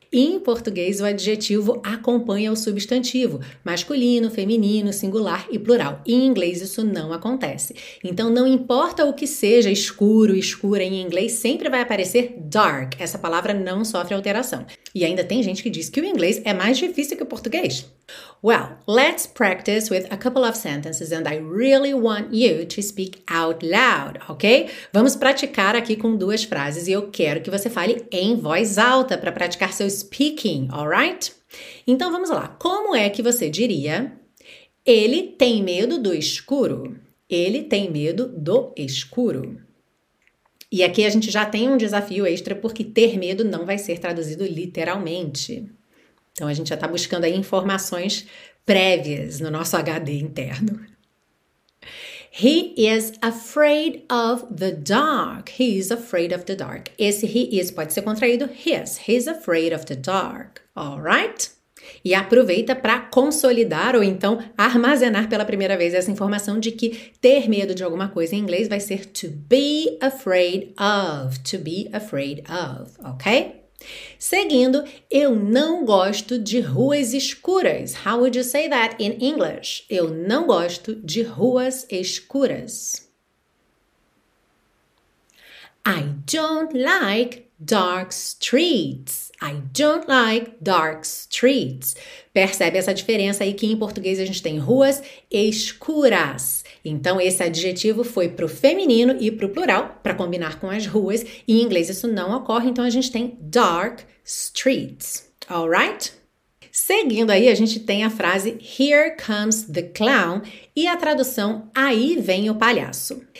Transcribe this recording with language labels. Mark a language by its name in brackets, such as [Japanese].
[Portuguese] Em português, o adjetivo acompanha o substantivo, masculino, feminino, singular e plural. Em inglês, isso não acontece. Então, não importa o que seja escuro, escura, em inglês sempre vai aparecer dark. Essa palavra não sofre alteração. E ainda tem gente que diz que o inglês é mais difícil que o português. [English] Well, let's practice with a couple of sentences and I really want you to speak out loud, ok? [Portuguese] Vamos praticar aqui com duas frases e eu quero que você fale em voz alta para praticar seu speaking, alright? Então vamos lá. Como é que você diria? Ele tem medo do escuro. Ele tem medo do escuro. E aqui a gente já tem um desafio extra porque ter medo não vai ser traduzido literalmente. Então a gente já está buscando aí informações prévias no nosso HD interno. [English] He is afraid of the dark. He is afraid of the dark. Esse he is [Portuguese] pode ser contraído. [English] He's afraid of the dark. All right? [Portuguese] E aproveita para consolidar ou então armazenar pela primeira vez essa informação de que ter medo de alguma coisa em inglês vai ser [English] to be afraid of. To be afraid of, [Portuguese] ok? Seguindo, eu não gosto de ruas escuras. [English] How would you say that in English? [Portuguese] Eu não gosto de ruas escuras. [English] I don't like dark streets. I don't like dark streets. [Portuguese] Percebe essa diferença aí que em português a gente tem ruas escuras. Então, esse adjetivo foi para o feminino e para o plural, para combinar com as ruas. E em inglês isso não ocorre, então a gente tem dark streets. All right? Seguindo aí, a gente tem a frase [English] Here comes the clown [Portuguese] e a tradução Aí vem o palhaço.